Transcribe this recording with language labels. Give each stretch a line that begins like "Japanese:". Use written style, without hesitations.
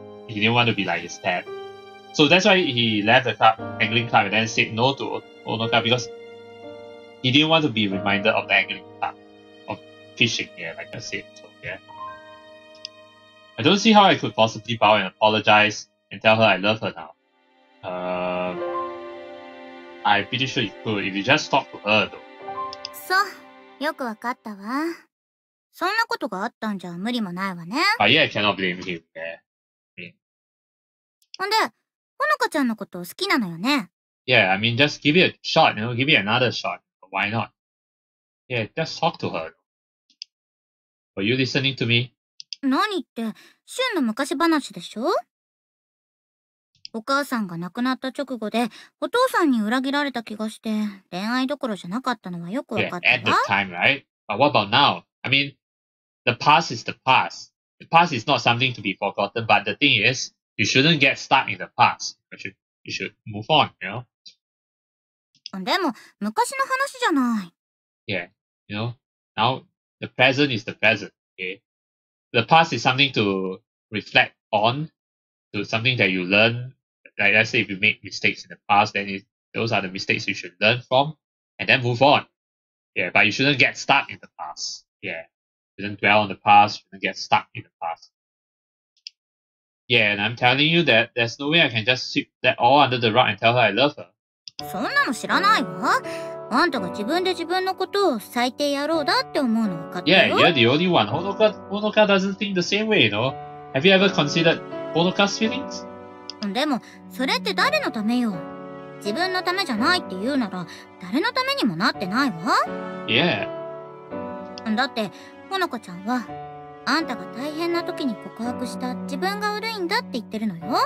English: He didn't want to be like his dad. So that's why he left the club, angling club, and then said no to Honoka because he didn't want to be reminded of the angling club. Of fishing, yeah, like I said. So, yeah. I don't see how I could possibly bow and apologize and tell her I love her now. I'm pretty sure you could if you just talk to her though.
Japanese: So, よくわかったわ。そんなことがあったんじゃ無理もないわね。
English: But yeah, I cannot blame him, yeah.
Japanese: ほんで、ほのかちゃんのこと好きなのよね?
English: Yeah, I mean, just give it a shot, you know, give it another shot. Why not? Yeah, just talk to her. Are you listening to me?
Japanese: 何って、シュンの昔話でしょ?お母さんが亡くなった直後で、お父さんに裏切られた気がして、恋愛どころじゃなかったのはよくわかったわ。
English: Yeah, at the time, right? But what about now? I mean, the past is the past. The past is not something to be forgotten, but the thing is,You shouldn't get stuck in the past. You should move on, you know?
Japanese: でも、昔の話じゃない。
English: Yeah, you know? Now, the present is the present, okay? The past is something to reflect on, to something that you learn. Like, let's say if you made mistakes in the past, then those are the mistakes you should learn from, and then move on. Yeah, but you shouldn't get stuck in the past. Yeah. You shouldn't dwell on the past, you shouldn't get stuck in the past. Yeah, and I'm telling you that there's no way I can just sweep that all under the rug and tell her I love her.
Japanese: そんなの知らないわ。あんたが自分で自分のことを最低野郎だって思うの分かって
English: る?Yeah, you're the only one. Honoka doesn't think the same way, you know? Have you ever considered Honoka's feelings?
Japanese: でも、それって誰のためよ。自分のためじゃないって言うなら、誰のためにもなってないわ。
English: Yeah.
Japanese: だって、Honoka ちゃんは…あんたが大変な時に告白した自分が悪いんだって言ってるのよ。